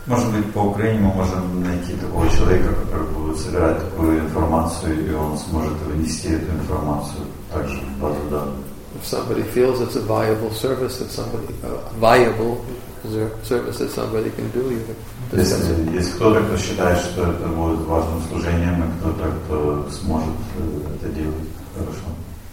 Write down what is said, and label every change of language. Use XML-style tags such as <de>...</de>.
<ru>Может быть, по Украине мы можем найти такого человека, который будет собирать такую информацию, и он сможет вынести эту информацию также в базу данных.</ru> <en>If somebody feels it's a viable service that somebody viable service that somebody can do, you can.</en> <ru>Если кто-то, кто считает, что это будет важным служением, и кто-то, кто сможет это делать, хорошо.</ru>